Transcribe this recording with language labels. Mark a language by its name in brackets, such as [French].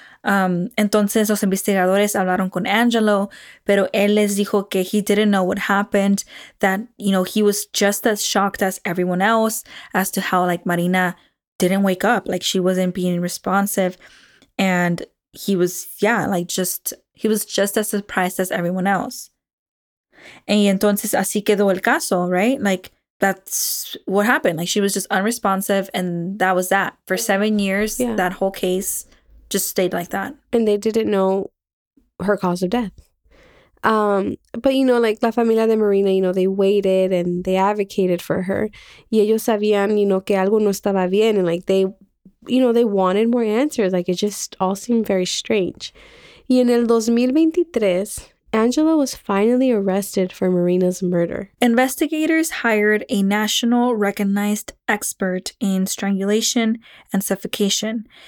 [English] Entonces los investigadores hablaron con Angelo, pero él les dijo que he didn't know what happened, that, you know, he was just as shocked as everyone else as to how like Marina didn't wake up, like she wasn't being responsive. And he was, yeah, like just, he was just as surprised as everyone else. [Spanish] Y entonces así quedó el caso, right? [English] Like that's what happened. Like she was just unresponsive and that was that. For 7 years, that whole case just stayed like that. And they didn't know her cause of death. But, you know, like, la familia de Marina, you know, they waited and they advocated for her. Y ellos sabían, [Spanish] you know, [English] que algo no estaba bien. And, like, they, you know, they wanted more answers. Like, it just all seemed very strange. Y en el 2023, Angela was finally arrested for Marina's murder. Investigators hired a national recognized expert in strangulation and suffocation.